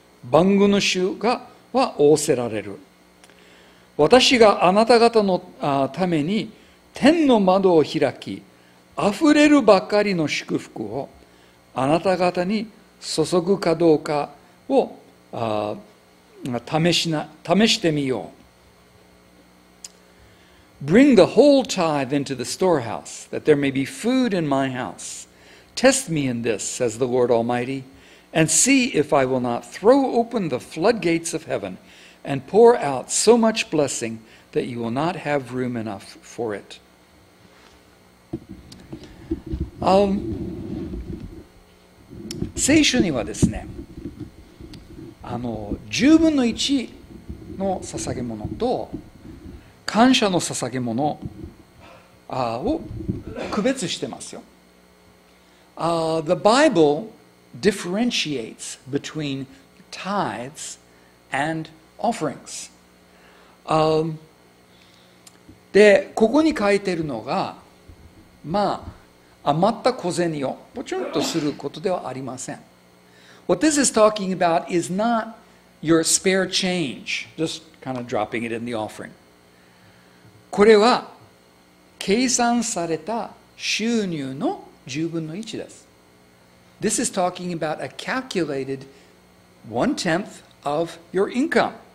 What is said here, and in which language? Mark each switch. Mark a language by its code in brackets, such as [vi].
[ja] 万軍の主がは仰せられる。私があなた方のために天の窓を開き、あふれるばかりの祝福をあなた方に注ぐかどうかを試してみよう。 [en] Bring the whole tithe into the storehouse, that there may be food in my house. Test me in this, says the Lord Almighty, and see if I will not throw open the floodgates of heaven and pour out so much blessing that you will not have room enough for it. [ja] 聖書にはですね、十分の一の捧げ物と感謝の捧げ物を区別してますよ。 [en] The Bible differentiates between tithes and offerings. [ja] で、ここに書いてるのが、まあ、余った小銭をポチュンとすることではありません。 [en] What this is talking about is not your spare change, just kind of dropping it in the offering. [ja] これは計算された収入の十分の一です。 [en] This is talking about a calculated one-tenth of your income.